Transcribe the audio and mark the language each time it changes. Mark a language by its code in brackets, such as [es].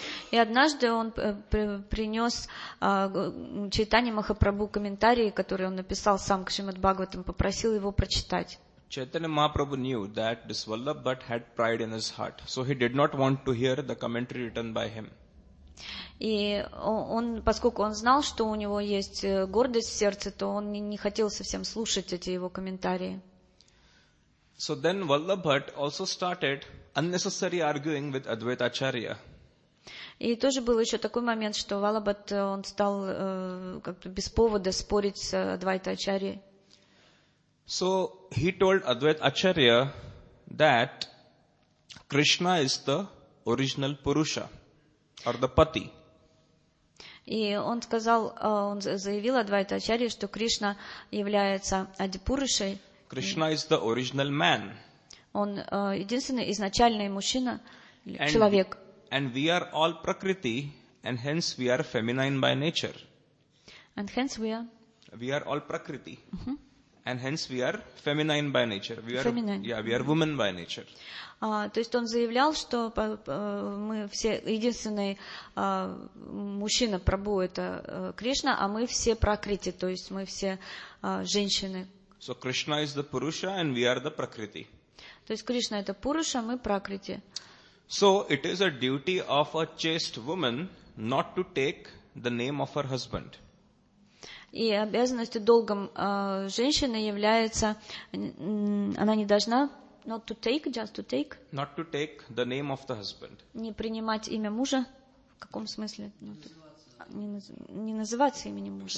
[ru] И однажды он принес Чайтанья Махапрабху комментарии, которые он написал сам к Шримад Бхагаватам, попросил его прочитать. [en] Chaitanya Mahaprabhu knew that this Vallabh Bhatt had pride in his heart, so he did not want to hear the commentary written by him. [ru] И он, поскольку он знал, что у него есть гордость в сердце, то он не хотел совсем слушать эти его комментарии. [en] So then Vallabh Bhatt also started unnecessary arguing with Advaita Acharya. [ru] И тоже был еще такой момент, что Vallabh Bhatt, он стал как-то без повода спорить с Адвайта Ачарьей. [en] So he told Advaita Acharya that Krishna is the original Purusha or the Pati. [ru] И он сказал, он заявил Адвайта Ачарье, что Кришна является Адипурушей. [en] Krishna is the original man. [ru] Он единственный изначальный мужчина, человек. [en] And we are all Prakriti, and hence we are feminine by nature. And hence we are? We are all Prakriti. Uh-huh. And hence we are feminine by nature. We are, feminine. Yeah, we are woman by nature. [ru] То есть он заявлял, что мы все единственный мужчина Прабху это Кришна, а мы все Пракрити, то есть мы все женщины. [en] So Krishna is the Purusha and we are the Prakriti. [ru] То есть Кришна это Пуруша, мы Пракрити. [en] So it is a duty of a chaste woman not to take the name of her husband. [ru] И обязанностью долгом женщины является, она не должна [en] not to take, just to take. Not to take the name of the husband. [ru] Не принимать имя мужа. В каком смысле? Не называться именем мужа.